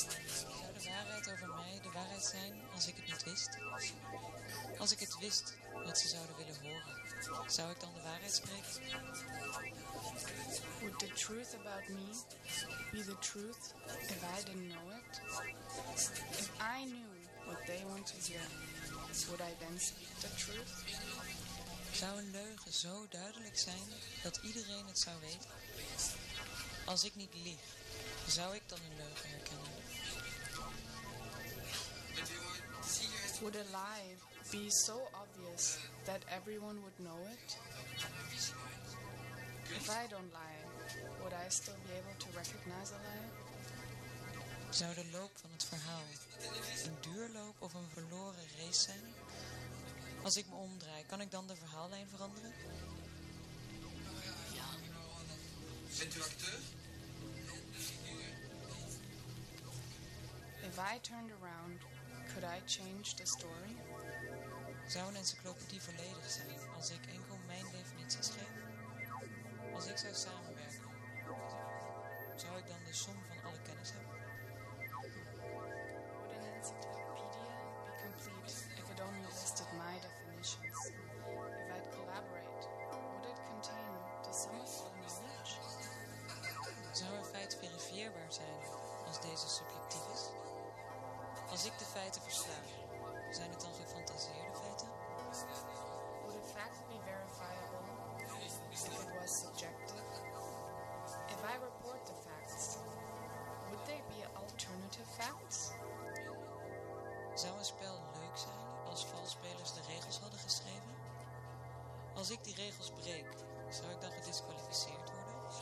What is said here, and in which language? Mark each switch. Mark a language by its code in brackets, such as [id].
[nl] Zou de waarheid over mij de waarheid zijn als ik het niet wist? Als ik het wist wat ze zouden willen horen, zou ik dan de waarheid spreken? [en] Would the truth about me be the truth if I didn't know it? If I knew what they want to hear, would I then speak the truth? [nl] Zou een leugen zo duidelijk zijn dat iedereen het zou weten? Als ik niet lieg, zou ik dan een leugen herkennen? Bent u [en] Would a lie be so obvious that everyone would know it? If I don't lie, would I still be able to recognize a lie? [nl] Zou de loop van het verhaal een duurloop of een verloren race zijn? Als ik me omdraai, kan ik dan de verhaallijn veranderen? Ja. Bent u acteur? [en] If I turned around, could I change the story? [nl] Zou een encyclopedie volledig zijn als ik enkel mijn definities geef? Als ik zou samenwerken, zou ik dan de som van alle kennis hebben? [en] Would an encyclopedia be complete if it only listed my definitions? If I'd collaborate, would it contain the sum of all knowledge? [nl] Zou een feit verifieerbaar zijn als deze subjectief is? Als ik de feiten versla, zijn het dan gefantaseerde feiten? [en] Would a fact be verifiable if it was subjective? If I report the facts, would they be alternative facts? [nl] Zou een spel leuk zijn als valsspelers de regels hadden geschreven? Als ik die regels breek, zou ik dan gedisqualificeerd worden?